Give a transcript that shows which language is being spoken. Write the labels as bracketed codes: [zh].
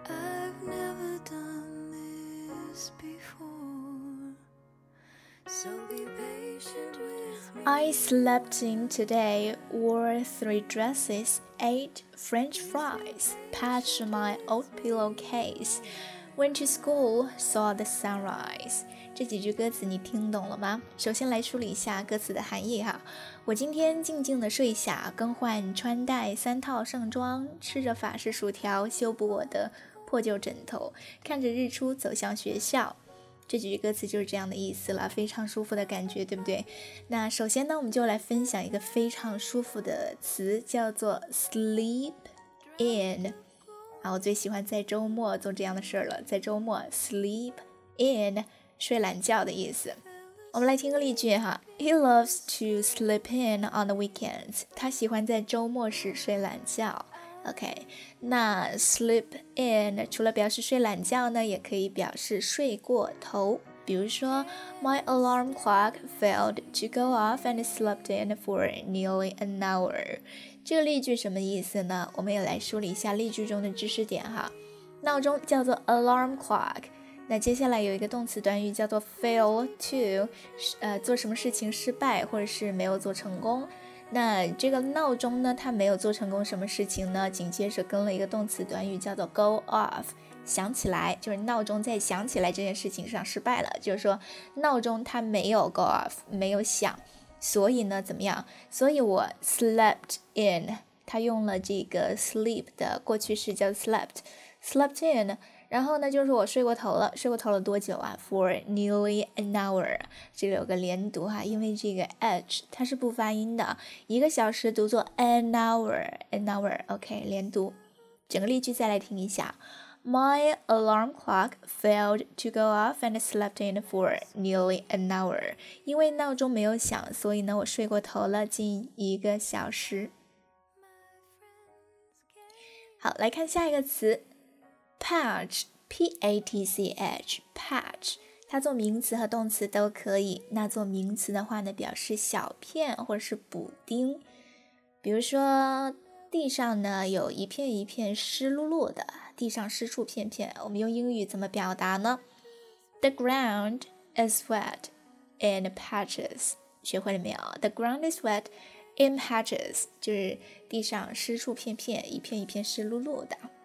[en] I've never done this before, so be patient with I slept in today, wore three dresses, ate French fries, patched my old pillowcase, went to school, saw the sunrise. [zh] 这几句歌词你听懂了吗？首先来梳理一下歌词的含义哈。我今天静静地睡下，更换穿戴三套盛装，吃着法式薯条，修补我的破旧枕头，看着日出走向学校。这几句歌词就是这样的意思了，非常舒服的感觉，对不对？那首先呢，我们就来分享一个非常舒服的词，叫做 sleep in。 啊，我最喜欢在周末做这样的事了，在周末 sleep in 睡懒觉的意思。我们来听个例句哈。 [en] He loves to sleep in on the weekends. [zh] 他喜欢在周末时睡懒觉。OK, 那 sleep in 除了表示睡懒觉呢，也可以表示睡过头。 [en] 比如说 My alarm clock failed to go off and slept in for nearly an hour. [zh] 这个例句什么意思呢？我们也来梳理一下例句中的知识点哈。闹钟叫做 alarm clock。那接下来有一个动词短语叫做 fail to, 做什么事情失败或者是没有做成功。那这个闹钟呢，它没有做成功什么事情呢？紧接着跟了一个动词短语叫做 go off, 响起来，就是闹钟在响起来这件事情上失败了，就是说闹钟它没有 go off, 没有响。所以呢怎么样？所以我 slept in, 它用了这个 sleep 的过去式叫 slept, slept in,然后呢就是我睡过头了，睡过头了多久啊？ [en] For nearly an hour, [zh] 这里有个连读哈，因为这个 h 它是不发音的，一个小时读作 an hour, OK, 连读。整个例句再来听一下。 [en] My alarm clock failed to go off and slept in for nearly an hour. [zh] 因为闹钟没有响，所以呢我睡过头了近一个小时。好，来看下一个词。 Patch, P-A-T-C-H, 它做名词和动词都可以。那做名词的话呢，表示小片或者是补丁。比如说地上呢有一片一片湿漉漉的，地上湿处片片，我们用英语怎么表达呢？ [en] The ground is wet in patches. [zh] 学会了没有？ [en] The ground is wet in patches, [zh] 就是地上湿处片片，一片一片湿漉漉的。